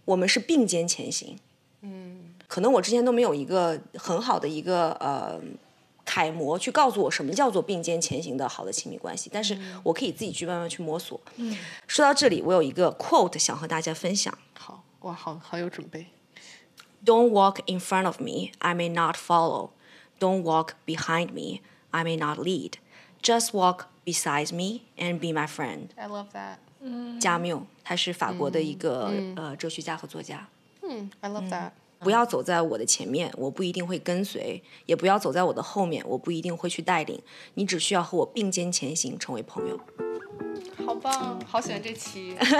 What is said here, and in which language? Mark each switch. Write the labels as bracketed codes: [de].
[zh] 我们是并肩前行。嗯，可能我之前都没有一个很好的一个楷模去告诉我什么叫做并肩前行的好的亲密关系，但是我可以自己去慢慢去摸索。嗯，说到这里我有一个 quote 想和大家分享。好，哇，好有准备。 [en] Don't walk in front of me, I may not follow. Don't walk behind me, I may not lead. Just walk beside me and be my friend. I love that. [zh] 加缪，他是法国的一个、嗯、哲学家和作家。 [en] 嗯， I love that、嗯， [zh] 不要走在我的前面，我不一定会跟随，也不要走在我的后面，我不一定会去带领，你只需要和我并肩前行，成为朋友。好棒，好喜欢这期。